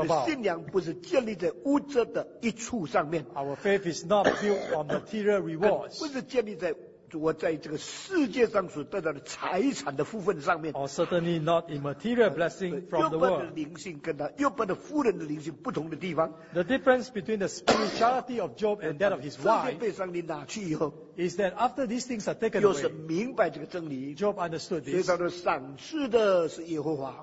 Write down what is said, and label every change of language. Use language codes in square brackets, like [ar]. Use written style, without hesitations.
[zh] 我们的信仰不是建立在物质的益处上面。 [en] Our faith is not built on material rewards. [zh] 不是建立在 我在这个世界上所得到的财产的福分上面。 [en] Or certainly not in material blessing from the world. [zh] 约伯的灵性跟他约伯的夫人的灵性不同的地方。 [en] The difference between the spirituality of Job and that of his wife. [zh] 这些被上帝拿去以后, [en] is that after these things are taken away, [zh] 又是明白这个真理, [en] Job understood this. [zh] 所以他说赏赐的是耶和华,